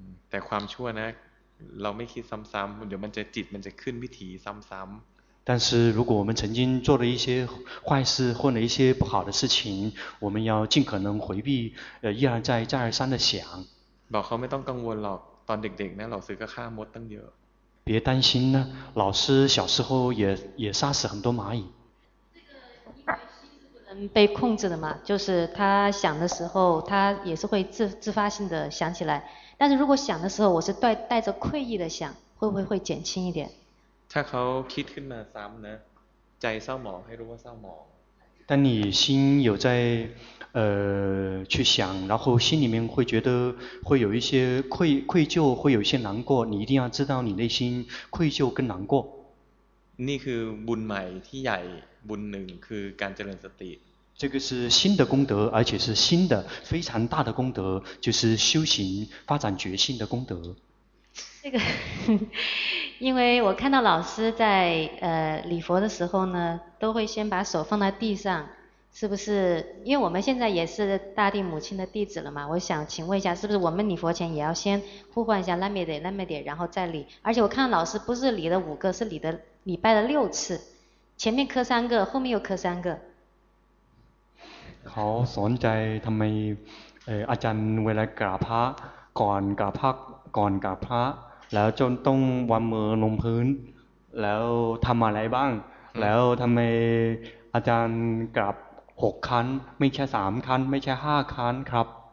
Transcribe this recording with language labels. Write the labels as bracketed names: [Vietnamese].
[Chinese] 但 [Thai] ความชั่วนะเราไม่คิดซ้ำๆเดี๋ยวมันจะจิตมันจะขึ้นวิถีซ้ำ [Chinese] ๆ但是如果我们曾经做了一些坏事或者一些不好的事情我们要尽可能回避一而再再而三的想 [Thai] บอกเขาไม่ต้องกังวลหรอกตอนเด็กๆนะ老师ก็ฆ่ามดตั้งเยอะ [Chinese] 别担心呢老师小时候也杀死很多蚂蚁这个因为心被控制的嘛就是他想的时候他也是会 自发性的想起来但是如果想的时候我是带着愧意的想会不会会减轻一点 [Thai] ถ้าเขาคิดขึ้นมาซ้ำนะใจเศร้าหมองให้รู้ว่าเศร้าหมอง [Chinese] 但你心有在去想然后心里面会觉得会有一些 愧疚会有一些难过你一定要知道你内心愧疚跟难过 [Thai] นี่คือบุญใหม่ที่ใหญ่บุญหนึ่งคือการเจริญสติ [Chinese] 这个是新的功德而且是新的非常大的功德就是修行发展觉性的功德这个因为我看到老师在礼佛的时候呢都会先把手放在地上是不是因为我们现在也是大地母亲的弟子了嘛我想请问一下是不是我们礼佛前也要先呼唤一下拉美得然后再礼而且我看到老师不是礼了五个是礼拜了六次前面磕三个后面又磕三个 [Thai] เขาสนใจทำไมอาจารย์เวลากราบพระก่อนกราบพระแล้วจนต้องวางมือลงพื้น แล้วทำอะไรบ้างแล้วทำไมอาจารย์กลับ6ครั้งไม่ใช่3ครั้งไม่ใช่5ครั้งครับ